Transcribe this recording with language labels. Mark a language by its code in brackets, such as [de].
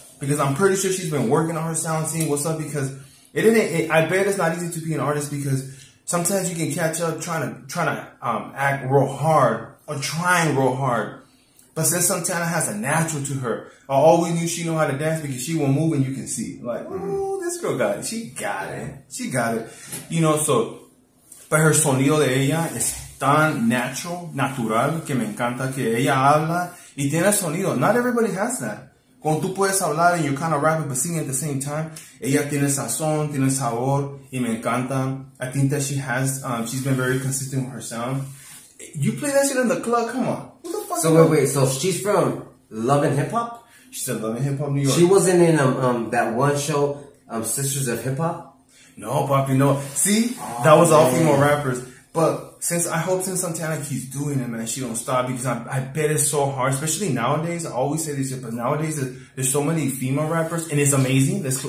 [en] Because I'm pretty sure she's been working on her sound, seeing what's up, because I bet it's not easy to be an artist, because sometimes you can catch up trying to act real hard or trying real hard. But since Santana has a natural to her, I always knew she knew how to dance because she will move and you can see. Like, ooh, this girl got it. She got it. You know, so, but her [es] sonido de ella es tan natural, que me encanta que ella habla y tiene sonido. [en] Not everybody has that. [es] Cuando tú puedes hablar [en] and you're kind of rapping but singing at the same time, [es] ella tiene sazón, tiene sabor, y me encanta. [en] I think that she has, she's been very consistent with her sound. You play that shit in the club, come on. What the fuck? So wait, so she's from Love & Hip Hop? She's from Love & Hip Hop, New York. She wasn't in that one show, Sisters of Hip Hop? No, Papi, no. See, that was all female rappers. But since Santana keeps doing it, man, she don't stop, because I bet it's so hard, especially nowadays. I always say this, but nowadays there's so many female rappers and it's amazing.